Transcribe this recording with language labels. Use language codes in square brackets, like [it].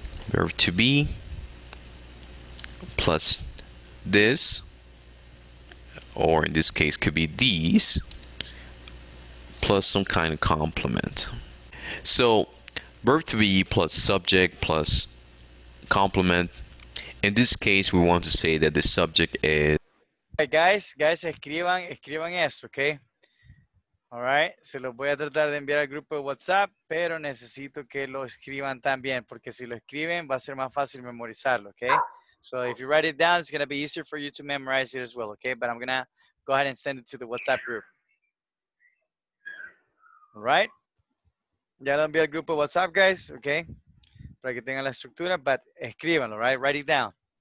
[en] Verb to be plus this, or in this case could be these, plus some kind of complement. So verb to be plus subject plus complement. In this case, we want to say that the subject is. Hey guys, [es] escriban eso, okay? [en] All right, [es] se los voy a tratar de enviar al grupo de WhatsApp, pero necesito que lo escriban también, porque si lo escriben, va a ser más fácil memorizarlo, okay? [en] So if you write it down, it's gonna be easier for you to memorize it as well, okay? But I'm gonna go ahead and send it to the WhatsApp group. All right? [es] Ya lo envié al grupo de WhatsApp, guys, okay? Para que tengan la estructura, but escríbanlo, [en] right? Write it down.